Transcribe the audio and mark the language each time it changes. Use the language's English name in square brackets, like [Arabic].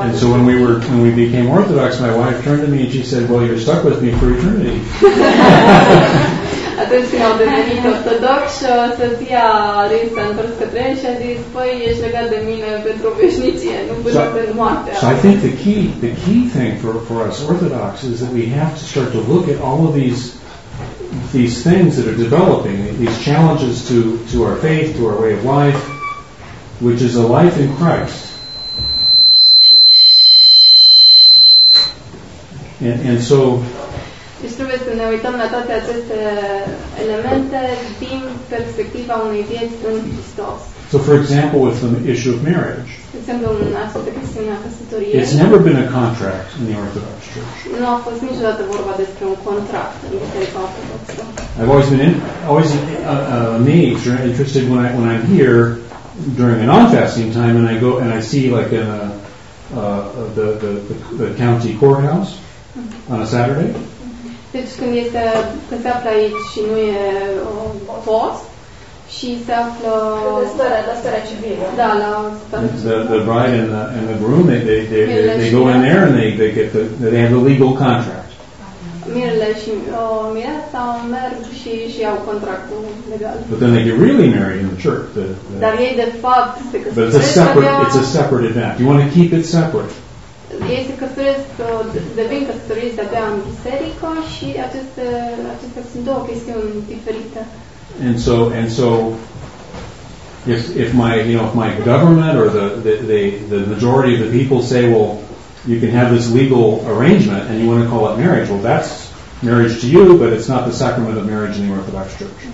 [Romanian] ajunge. [English] And so when we became Orthodox, my wife turned to me and she said, "Well, you're stuck with me for eternity." [Romanian] Atunci când au devenit ortodox, soția lui s-a întors către el și a zis, "Păi, ești legat de mine pentru veșnicie, nu până când moartea." [English] So I think the key thing for us Orthodox is that we have to start to look at all of these things that are developing, these challenges to our faith, to our way of life, which is a life in Christ. And so [Romanian] deci trebuie să ne uităm la toate aceste elemente din perspectiva unei vieți în Hristos. [English] So, for example, with the issue of marriage, it's never been a contract in the Orthodox Church. I've always been amazed or interested when I'm here during a non-fasting time and I go and I see like in the county courthouse on a Saturday. [Romanian] Deci când este când se află aici și nu e post și se află la starea civilă. Da, la [English] the bride and the groom they go in there and they get the they have the legal contract. [Romanian] Mirele și mireasa merg și iau contractul legal. [English] But then they get really married in the church. [Romanian] Dar ei de fapt se căsătoresc. [English] But it's a separate event. You want to keep it separate. [Romanian] Ei se căsătoresc, devin căsătoriți de-abia în biserică și acestea sunt două chestiuni diferite. [English] And so if my if my government or the majority of the people say, well, you can have this legal arrangement and you want to call it marriage, well, that's marriage to you, but it's not the sacrament of marriage in the Orthodox Church.